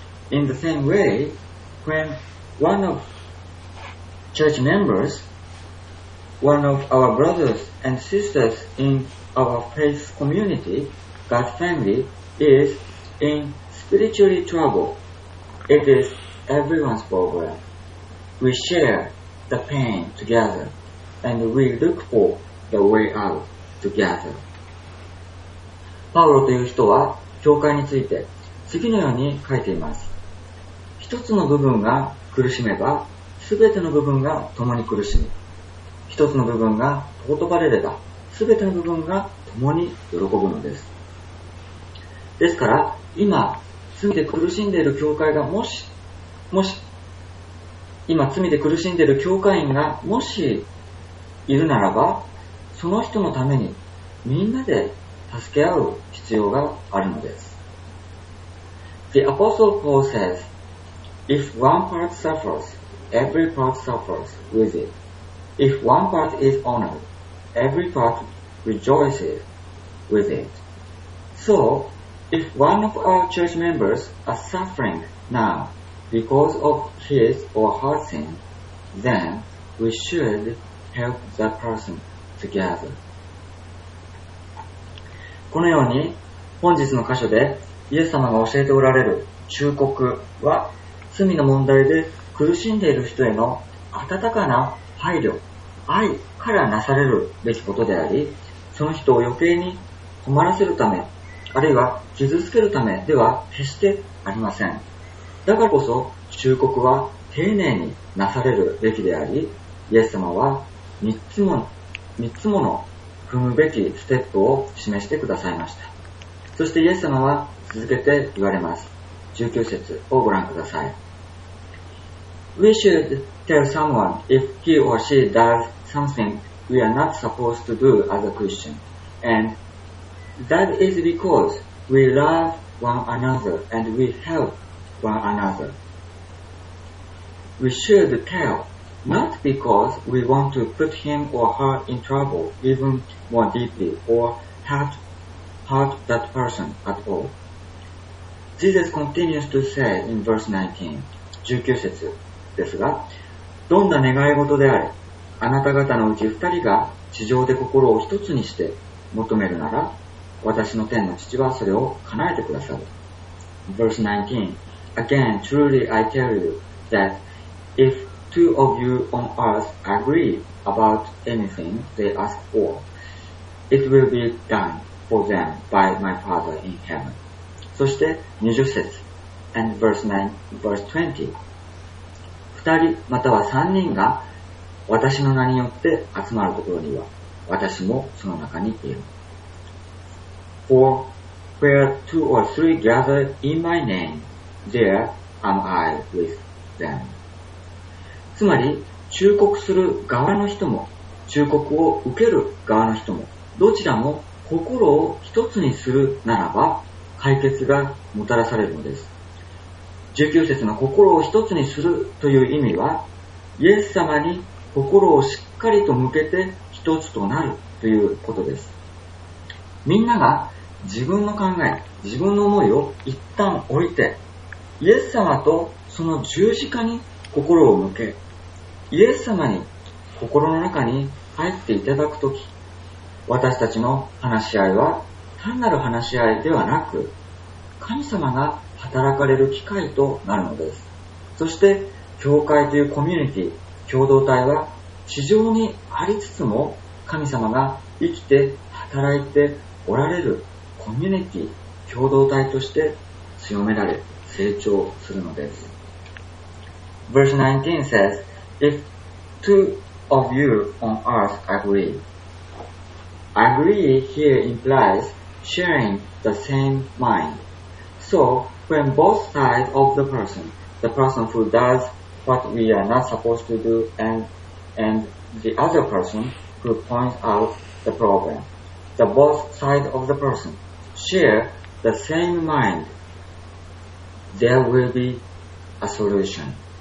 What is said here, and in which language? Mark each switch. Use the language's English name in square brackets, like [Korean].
[English] In the same way, when one of church members, one of our brothers and sisters in our faith community, God family, is in spiritually trouble, it is everyone's problem. We share the pain together and we look for the way out together. [Japanese] パウロという人は教会について次のように書いています。一つの部分が苦しめば、すべての部分が共に苦しみ、一つの部分が尊ばれれば、すべての部分が共に喜ぶのです。ですから、今、罪で苦しんでいる教会がもし、今、罪で苦しんでいる教会員がもしいるならば、その人のために、みんなで助け合う必要があるのです。 [English] The Apostle Paul says,If one part suffers, every part suffers with it. If one part is honored, every part rejoices with it. So, if one of our church members are suffering now because of his or her sin, then we should help that person together. [Japanese] このように本日の箇所でイエス様が教えておられる忠告は、罪の問題で苦しんでいる人への温かな配慮、愛からなされるべきことであり、その人を余計に困らせるため、あるいは傷つけるためでは決してありません。だからこそ忠告は丁寧になされるべきであり、イエス様は3つもの踏むべきステップを示してくださいました。そしてイエス様は続けて言われます。 19節をご覧ください。 [English] We should tell someone if he or she does something we are not supposed to do as a Christian, and that is because we love one another and we help one another. We should tell, not because we want to put him or her in trouble even more deeply or hurt that person at all. Jesus continues to say in verse 19, [Japanese] 19節ですが、どんな願い事であれ、あなた方のうち二人が地上で心を一つにして求めるなら、私の天の父はそれを叶えてくださる。 [English] Verse 19. Again, truly I tell you that if two of you on earth agree about anything they ask for, it will be done for them by my Father in heaven. [Japanese] そして20節 [English] and verse 20. [Japanese] 二人または三人が私の名によって集まるところには、私もその中にいる。 [English] For where two or three gather in my name, there am I with them. [Japanese] つまり、忠告する側の人も、忠告を受ける側の人も、どちらも心を一つにするならば、解決がもたらされるのです。 19節の心を一つにするという意味は、イエス様に心をしっかりと向けて一つとなるということです。みんなが自分の考え、自分の思いを一旦置いて、イエス様とその十字架に心を向け、イエス様に心の中に入っていただくとき、私たちの話し合いは単なる話し合いではなく、神様が働かれる機会となるのです。そして、教会というコミュニティ、共同体は地上にありつつも、神様が生きて働いておられるコミュニティ、共同体として強められ、成長するのです。 [English] Verse 19 says, If two of you on earth agree. Agree here implies sharing the same mind. So, when both sides of the person who does what we are not supposed to do and the other person who points out the problem, the both sides of the person,Share the same mind, there will be a solution.